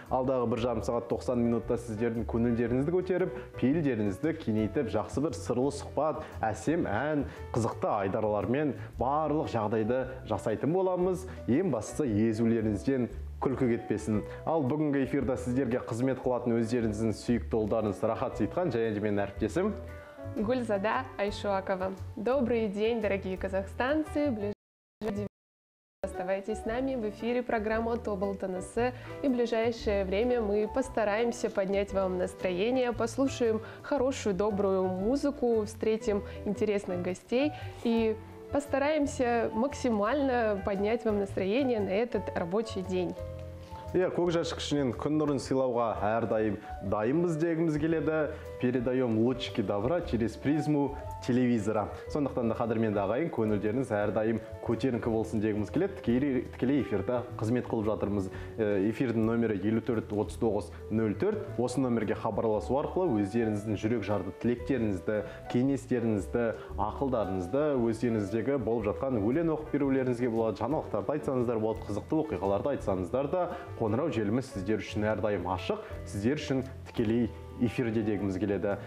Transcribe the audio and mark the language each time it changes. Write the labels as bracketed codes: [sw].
[kk] Алдағы бір жарым сағат 90 минутта сіздердің көңілдеріңізді көтеріп, пейілдеріңізді кеңейтіп, жақсы бір сырлы сұхбат, әсем ән, қызықты айдаралармен барлық жағдайды жасайтын боламыз. Ең бастысы езулеріңізден күлкі кетпесін. Ал бүгінгі эфирде сіздерге қызмет қылатын өздеріңіздің сүйікті ұлдарыңыз Рахат Сейтхан және де мен әріптесім Гүлзада Айшуакова. [ru] Добрый день, дорогие казахстанцы! Оставайтесь с нами в эфире программы «Тобыл тынысы». И в ближайшее время мы постараемся поднять вам настроение, послушаем хорошую, добрую музыку, встретим интересных гостей и постараемся максимально поднять вам настроение на этот рабочий день. [kk] Иә, көк жәшікшінен күн нұрын сыйлауға әрдайым дайынбыз дегіміз келеді. [ru] Передаем лучики добра через призму телевизора. [kk] Сондықтан да қадірменді ағайын, көңілдеріңіз әрдайым көтеріңкі болсын дегіміз келеді. Тікелей эфирді қызмет қылып жатырмыз. Эфирдің номері 54-39-04. Осы номерге хабарласу арқылы өздеріңіздің жүрек жарды тілектеріңізді, кеңестеріңізді, ақылдарыңызды, өздеріңіздегі болып жатқан өлең оқып берулеріңізге болады, жаңалықтарды айтсаңыздар болады, қызықты оқиғаларды айтсаңыздар да қоңырау желіміз сіздер үшін әрдайым ашық, сіздер үшін тікелей эфирде дегіміз келеді.